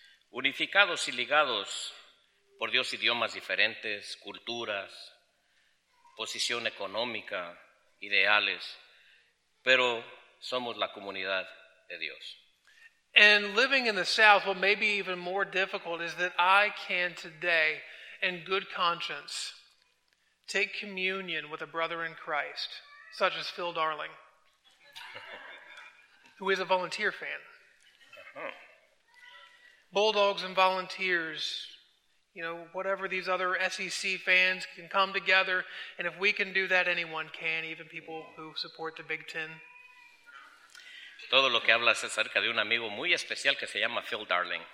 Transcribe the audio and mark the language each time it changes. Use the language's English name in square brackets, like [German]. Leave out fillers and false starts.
[Spanish] Unificados y ligados por Dios, idiomas diferentes, culturas, posición económica, ideales, pero somos la comunidad de Dios. [English] And living in the South, what may be even more difficult is that I can today, in good conscience, take communion with a brother in Christ, such as Phil Darling, who is a Volunteer fan. Bulldogs and Volunteers, you know, whatever these other SEC fans can come together, and if we can do that, anyone can, even people who support the Big Ten. [Spanish] Todo lo que hablas acerca de un amigo muy especial que se llama Phil Darling.